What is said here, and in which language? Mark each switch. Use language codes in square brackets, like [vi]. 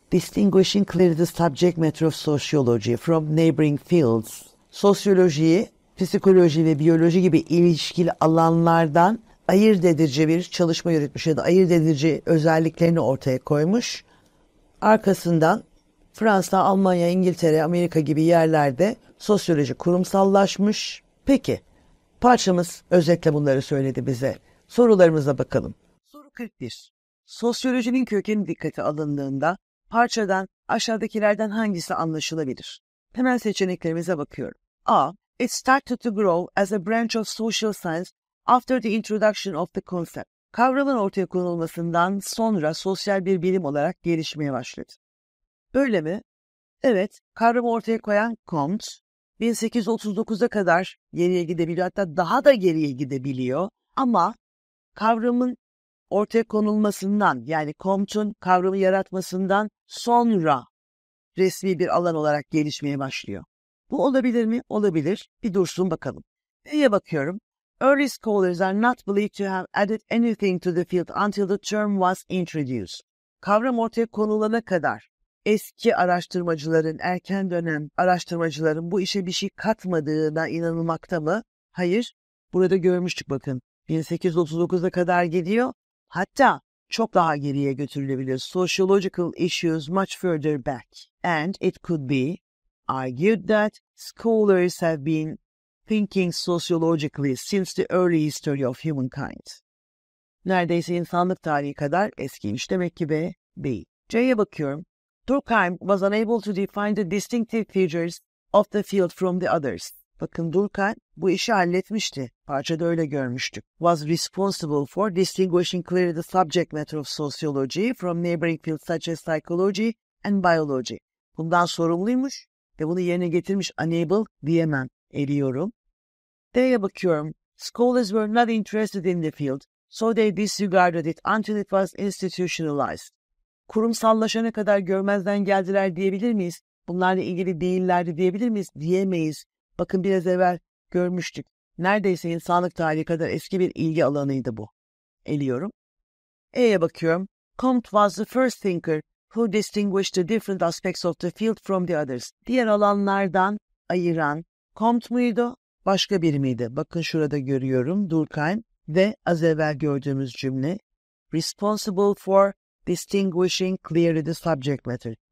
[en] Distinguishing clearly the subject matter of sociology from neighboring fields. [tr] Sosyolojiyi, psikoloji ve biyoloji gibi ilişkili alanlardan ayırt edici bir çalışma yürütmüş ya da ayırt edici özelliklerini ortaya koymuş. Arkasından Fransa, Almanya, İngiltere, Amerika gibi yerlerde sosyoloji kurumsallaşmış. Peki, parçamız özetle bunları söyledi bize. Sorularımıza bakalım. Soru 41. Sosyolojinin kökeni dikkate alındığında parçadan aşağıdakilerden hangisi anlaşılabilir? Hemen seçeneklerimize bakıyorum. A. [en] It started to grow as a branch of social science after the introduction of the concept. [tr] Kavramın ortaya konulmasından sonra sosyal bir bilim olarak gelişmeye başladı. Öyle mi? Evet, kavramı ortaya koyan Comte, 1839'a kadar geriye gidebiliyor, hatta daha da geriye gidebiliyor. Ama kavramın ortaya konulmasından, yani Comte'un kavramı yaratmasından sonra resmi bir alan olarak gelişmeye başlıyor. Bu olabilir mi? Olabilir. Bir dursun bakalım. B'ye bakıyorum. [en] Early scholars are not believed to have added anything to the field until the term was introduced. [tr] Kavram ortaya konulana kadar eski araştırmacıların, erken dönem araştırmacıların bu işe bir şey katmadığına inanılmakta mı? Hayır. Burada görmüştük bakın. 1839'a kadar gidiyor. Hatta çok daha geriye götürülebilir. [en] Sociological issues much further back. And it could be argued that scholars have been thinking sociologically since the early history of humankind. [tr] Neredeyse insanlık tarihi kadar eskiymiş demek ki be. B. C'ye bakıyorum. [en] Durkheim was unable to define the distinctive features of the field from the others. [tr] Bakın Durkheim bu işi halletmişti. Parçada öyle görmüştük. [en] Was responsible for distinguishing clearly the subject matter of sociology from neighboring fields such as psychology and biology. [tr] Bundan sorumluymuş ve bunu yerine getirmiş. Unable diyemem. Eriyorum. D'ye bakıyorum. [en] Scholars were not interested in the field, so they disregarded it until it was institutionalized. [tr] Kurumsallaşana kadar görmezden geldiler diyebilir miyiz? Bunlarla ilgili değillerdi diyebilir miyiz? Diyemeyiz. Bakın biraz evvel görmüştük. Neredeyse insanlık tarihi kadar eski bir ilgi alanıydı bu. Eliyorum. E'ye bakıyorum. [en] Comte was the first thinker who distinguished the different aspects of the field from the others. [tr] Diğer alanlardan ayıran Comte muydu? Başka biri miydi? Bakın şurada görüyorum. Durkheim ve az evvel gördüğümüz cümle. [en] Responsible for distinguishing clearly the subject matter.